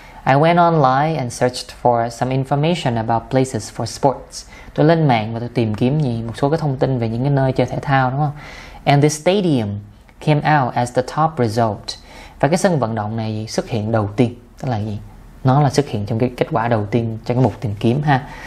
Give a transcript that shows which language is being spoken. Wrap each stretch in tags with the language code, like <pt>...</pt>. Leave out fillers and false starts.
<en>I went online and searched for some information about places for sports.</en> <vi>Tôi lên mạng và tôi tìm kiếm gì một số cái thông tin về những cái nơi chơi thể thao đúng không?</vi> <en>And the stadium came out as the top result.</en> <vi>Và cái sân vận động này xuất hiện đầu tiên. Tức là gì? Nó là xuất hiện trong cái kết quả đầu tiên trong cái mục tìm kiếm ha.</vi>